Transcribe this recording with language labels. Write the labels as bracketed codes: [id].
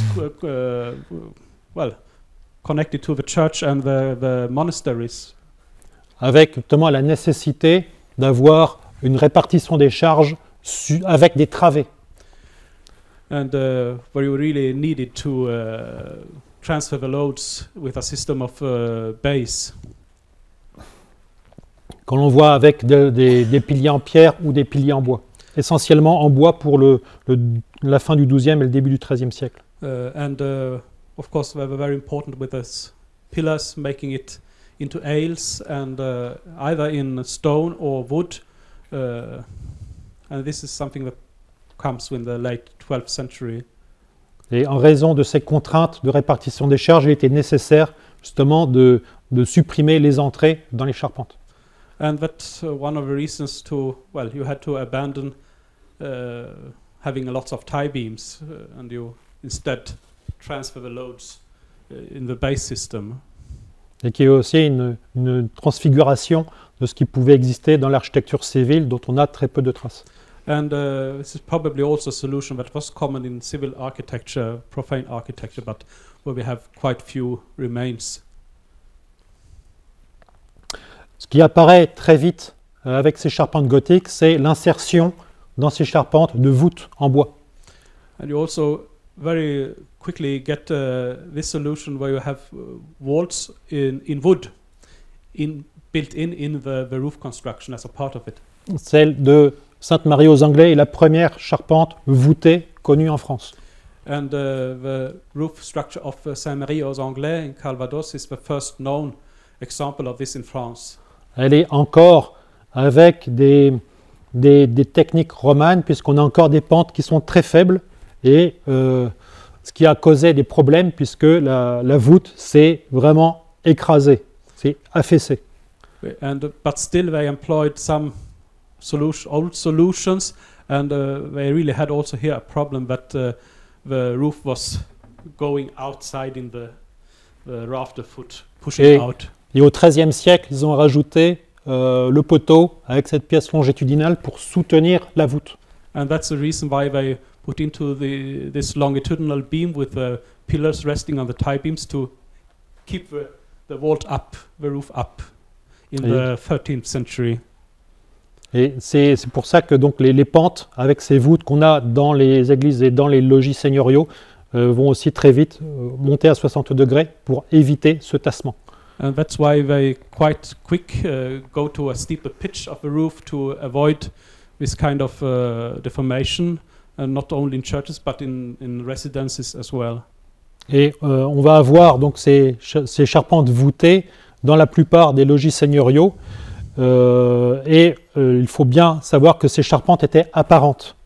[en] Barns well, connected to the church and the monasteries. [fr] Avec notamment la nécessité d'avoir une répartition des charges avec des travées. [en] And where you really needed to transfer the loads with a system of bays. [fr] Quand on voit avec des piliers en pierre ou des piliers en bois. Essentiellement en bois pour la fin du XIIe et le début du XIIIe siècle. [en] And of course we have a very important with us pillars making it into ales and either in stone or wood. And this is something that comes in the late 12th century. [fr] Et en raison de ces contraintes de répartition des charges, il était nécessaire justement de supprimer les entrées dans les charpentes. [en] And that's one of the reasons to, well, you had to abandon having lots of tie beams and you instead transfer the loads in the base system. [fr] Et qui est aussi une transfiguration de ce qui pouvait exister dans l'architecture civile dont on a très peu de traces. [en] And this is probably also a solution that was common in civil architecture, profane architecture, but where we have quite few remains. [fr] Ce qui apparaît très vite avec ces charpentes gothiques, c'est l'insertion dans ces charpentes de voûtes en bois. [en] And you also very quickly get this solution where you have vaults in wood in built in the roof construction as a part of it. [fr] Celle de Sainte-Marie aux Anglais est la première charpente voûtée connue en France. [en] And the roof structure of Saint-Marie aux Anglais in Calvados is the first known example of this in France. [fr] Elle est encore avec des techniques romanes puisqu'on a encore des pentes qui sont très faibles et ce qui a causé des problèmes puisque la voûte s'est vraiment écrasée, s'est affaissée. [en] And but still they employed some old solutions and they really had also here a problem that the roof was going outside in the rafter foot pushing out. [fr] Et au XIIIe siècle, ils ont rajouté le poteau avec cette pièce longitudinale pour soutenir la voûte. [en] And that's the reason why they put into this longitudinal beam with the pillars resting on the tie beams to keep the vault up, the roof up in the 13th century. [fr] Et c'est pour ça que donc les pentes avec ces voûtes qu'on a dans les églises et dans les logis seigneuriaux vont aussi très vite monter à 60 degrés pour éviter ce tassement. [en] And that's why they quite quick go to a steeper pitch of the roof to avoid this kind of deformation, and not only in churches but in residences as well. [fr] Et on va avoir donc ces charpentes voûtées dans la plupart des logis seigneuriaux. Et il faut bien savoir que ces charpentes étaient apparentes.